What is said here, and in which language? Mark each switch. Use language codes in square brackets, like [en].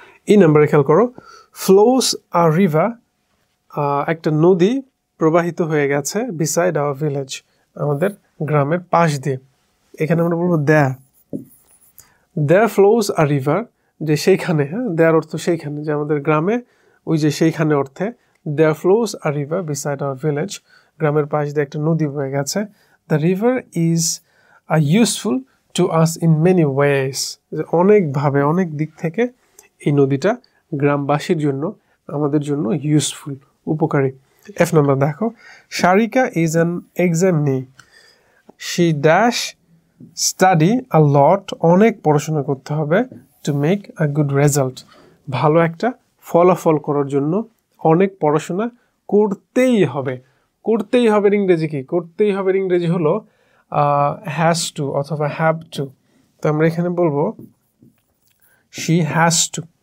[bn] এই নাম্বারে খেয়াল করো, [en] flows a river, [bn] একটা নদী প্রবাহিত হয়ে গেছে [en] beside our village, [bn] আমাদের গ্রামের পাশ দিয়ে, এখানে আমরা বলবো [en] the, the flows a river, [bn] যে সেইখানে, হ্যাঁ, দ্যার অর্থ সেইখানে, যে আমাদের গ্রামে, ওই যে সেইখানে অর্থে, [en] the flows a river beside our village, [bn] গ্রামের পাশ দিয়ে একটা নদী বয়ে গেছে। [en] The river is are useful to us in many ways. [bn] অনেক ভাবে অনেক দিক থেকে এই নদীটা গ্রামবাসীর জন্য আমাদের জন্য ইউজফুল উপকারী. [en] F number দেখো, Sharika is an examinee. She dash study a lot, [bn] অনেক পড়াশোনা করতে হবে [en] to make a good result. [bn] ভালো একটা ফলাফল করার জন্য অনেক পড়াশোনা করতেই হবে. করতেই হবে ইংরেজি কি? করতেই হবে ইংরেজি হলো has to অথবা have to. তো আমরা এখানে বলবো she has to.